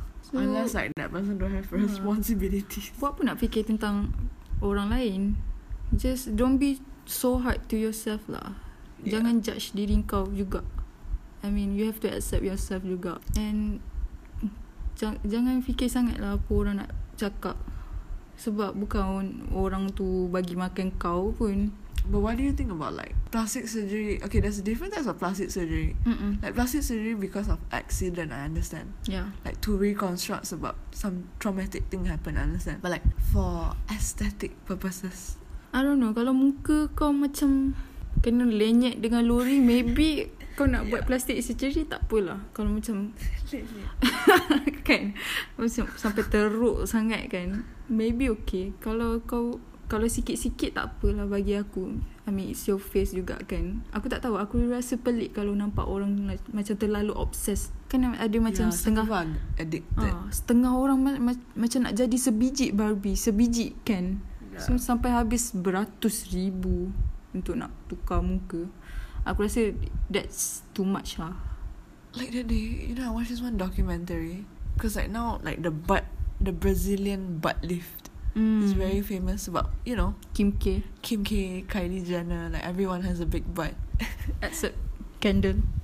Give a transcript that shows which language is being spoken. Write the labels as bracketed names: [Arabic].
[English] So, unless like that person don't have responsibility. [Malay] Buat pun nak fikir tentang orang lain. [English] Just don't be so hard to yourself lah. Yeah. [Malay] Jangan [English] judge [Malay] diri kau juga. [English] I mean, you have to accept yourself juga. And [Malay] jangan fikir sangat lah apa orang nak cakap. Sebab bukan orang tu bagi makan kau pun. [English] But what do you think about like plastic surgery? Okay, there's a different types of plastic surgery. Mm-mm. Like plastic surgery because of accident, I understand. Yeah. Like to reconstruct [Malay] sebab [English] some traumatic thing happen, I understand. But like for aesthetic purposes, I don't know. [Malay] Kalau muka kau macam kena lenyek dengan lori, [English] maybe [Malay] kau nak yeah, buat plastic surgery tak apalah. Kalau macam kan macam sampai teruk sangat kan, maybe okay. Kalau sikit-sikit tak apalah bagi aku. [English] I mean it's your face [Malay] juga kan. Aku tak tahu, aku rasa pelik kalau nampak orang macam terlalu obses. Kan ada macam [English] yeah, [Malay] setengah [English] addicted. [Malay] Setengah orang macam nak jadi sebiji Barbie. Sebiji kan yeah. So sampai habis beratus ribu untuk nak tukar muka. Aku rasa [English] that's too much [Malay] lah. [English] Like that day, you know I watched this one documentary. Cause like now like the butt, the Brazilian butt lift, it's very famous about, you know, Kim K, Kylie Jenner, like everyone has a big butt. Except Kendall.